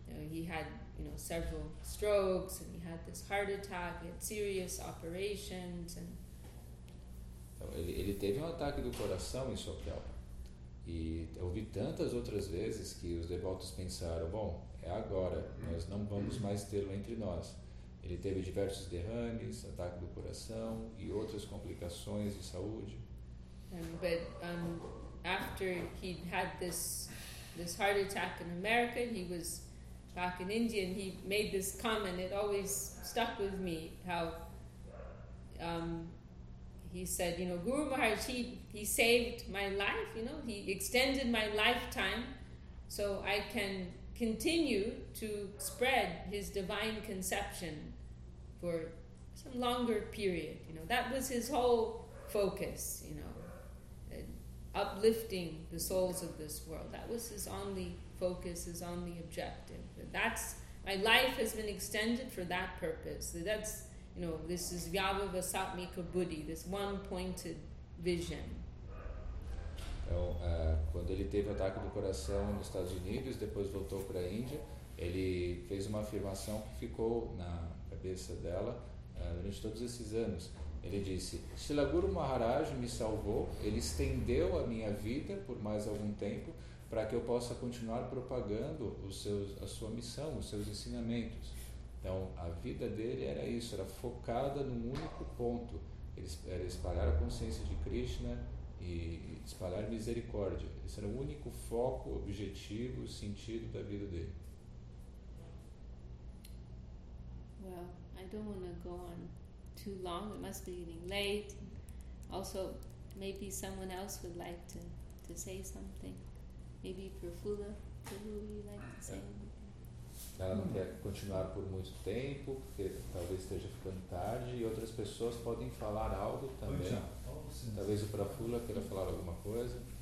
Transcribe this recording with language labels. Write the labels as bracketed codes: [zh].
[en] He had, you know, several strokes, and he had this heart attack, he had serious operations, and [pt] então, ele teve um ataque do coração em Soquel. E eu vi tantas outras vezes que os devotos pensaram, bom, é agora, nós não vamos mais tê-lo entre nós. Ele teve diversos derrames, ataque do coração e outras complicações de saúde. [en] But after he had this heart attack in America, he was back in India, and he made this comment. It always stuck with me how he said, you know, Guru Maharaj, he saved my life, you know, he extended my lifetime so I can continue to spread his divine conception for some longer period. You know, that was his whole focus, you know, uplifting the souls of this world. That was his only focus, his only objective. That's, my life has been extended for that purpose. That's, you know, this is Vyabhava Satmika Buddhi, this one-pointed vision. [pt] Então, quando ele teve o ataque do coração nos Estados Unidos, depois voltou para a Índia, ele fez uma afirmação que ficou na cabeça dela durante todos esses anos. Ele disse, Srila Guru Maharaj me salvou, ele estendeu a minha vida por mais algum tempo para que eu possa continuar propagando a sua missão, os seus ensinamentos. Então, a vida dele era isso, era focada num único ponto, era espalhar a consciência de Krishna e espalhar misericórdia. Esse era o único foco, objetivo, sentido da vida dele. [en] Well, I don't want to go on too long. It must be getting late. Also, maybe someone else would like to say something. Maybe Prafulla, would you like to say anything? [pt] Ela não quer continuar por muito tempo, porque talvez esteja ficando tarde, e outras pessoas podem falar algo também. Talvez o Prafulla queira falar alguma coisa.